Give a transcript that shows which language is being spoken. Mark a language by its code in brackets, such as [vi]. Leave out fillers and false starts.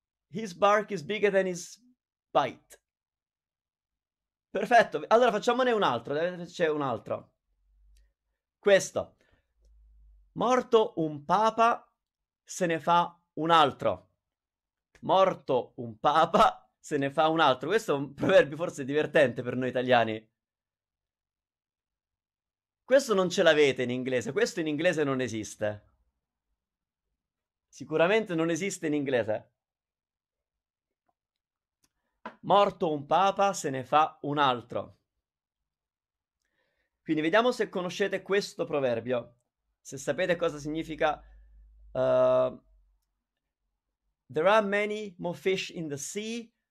[en] His bark is bigger than his bite. [it] Perfetto, allora facciamone un altro, c'è un altro. Questo. Morto un papa, se ne fa un altro. Morto un papa, se ne fa un altro. Questo è un proverbio forse divertente per noi italiani. Questo non ce l'avete in inglese, questo in inglese non esiste. Sicuramente non esiste in inglese. Morto un papa, se ne fa un altro. Quindi vediamo se conoscete questo proverbio, se sapete cosa significa. [en] There are many more fish in the sea.